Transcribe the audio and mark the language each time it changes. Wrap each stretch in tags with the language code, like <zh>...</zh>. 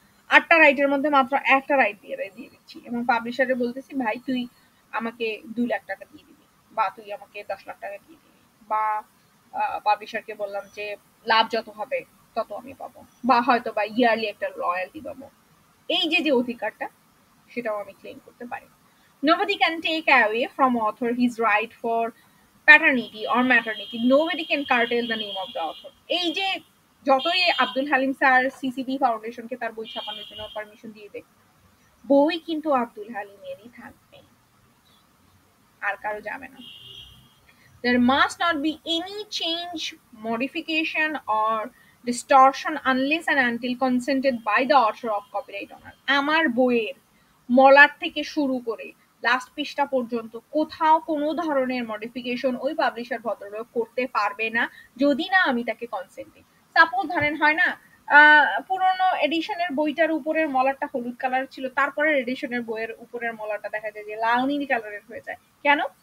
<bn>আটটা রাইটের মধ্যে মাত্র একটা রাইট দিয়ে দিচ্ছি এবং পাবলিশারে বলতেছি ভাই তুই আমাকে 2 লাখ টাকা দিয়ে দিবি বা তুই আমাকে 10 লাখ টাকা দিয়ে দিবি বা পাবলিশারকে বললাম যে লাভ যত হবে তত আমি পাবো বা হয়তো বা ইয়ারলি একটা রয়্যালটি পাবো, এই যে যে অধিকারটা সেটাও আমি ক্লেম করতে পারি।</bn> <en>Nobody can take away from author his right for paternity or maternity. Nobody can curtail the name of the author.</en> <bn>এই যে যতই আব্দুল হালিম স্যার সিসিবি ফাউন্ডেশনকে তার বই ছাপানোর জন্য পারমিশন দিয়ে দেয় বই কিন্তু আব্দুল হালিমেরই থাকবে, আর কারো যাবে না।</bn> <en>There must not be any change, modification or distortion unless and until consented by the author of copyright owner.</en> <bn>আমার বইয়ের মলার থেকে শুরু করে লাস্ট পৃষ্ঠা পর্যন্ত কোথাও কোনো ধরনের মডিফিকেশন ওই পাবলিশার ভদ্রলোক করতে পারবে না যদি না আমি তাকে কনসেন্ট দিই। সাপোজ ধরেন, হয় না, পুরোনো এডিশনের বইটার উপরের মলারটা হলুদ কালার ছিল, তারপরের এডিশনের বইয়ের উপরের মলারটা দেখা যায় যে লাল নীল কালারের হয়ে যায়। কেন?</bn>